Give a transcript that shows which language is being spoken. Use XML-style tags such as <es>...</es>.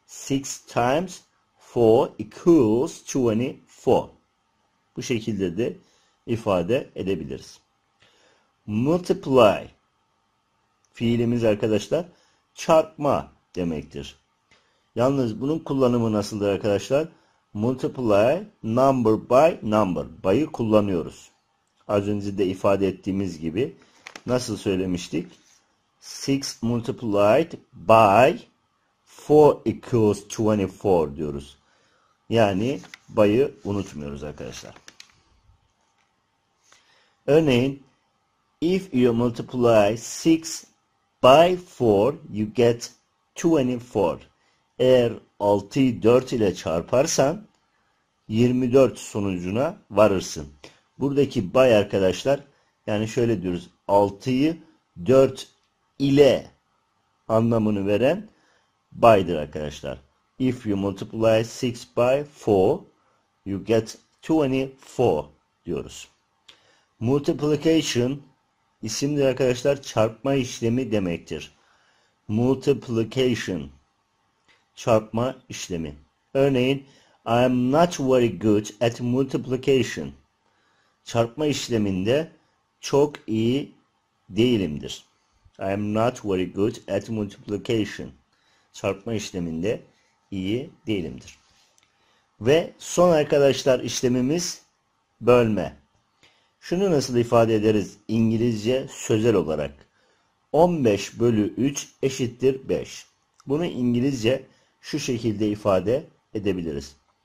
<en>6 times 4 equals 24.</en> <tr>Bu şekilde de ifade edebiliriz. Multiply fiilimiz arkadaşlar çarpma demektir. Yalnız bunun kullanımı nasıldır arkadaşlar?</tr> <en>Multiply number by number.</en> <tr>By'ı kullanıyoruz. Az önce de ifade ettiğimiz gibi nasıl söylemiştik?</tr> <en>6 multiplied by 4 equals 24 diyoruz.</en> <tr>Yani by'ı unutmuyoruz arkadaşlar.</tr> <en>Örneğin, if you multiply 6 by 4, you get 24.</en> <tr>Eğer 6'yı 4 ile çarparsan 24 sonucuna varırsın. Buradaki by arkadaşlar, yani şöyle diyoruz, 6'yı 4 ile anlamını veren by'dır arkadaşlar.</tr> <en>If you multiply 6 by 4, you get 24 diyoruz.</en> <tr>Multiplication isimdir arkadaşlar, çarpma işlemi demektir. Multiplication çarpma işlemi.</tr> <en>Örneğin, I am not very good at multiplication.</en> <tr>Çarpma işleminde çok iyi değilimdir.</tr> <en>I am not very good at multiplication.</en> <tr>Çarpma işleminde iyi değilimdir. Ve son arkadaşlar işlemimiz bölme. Şunu nasıl ifade ederiz İngilizce sözel olarak? 15 bölü 3 eşittir 5. Bunu İngilizce şu şekilde ifade edebiliriz.</tr>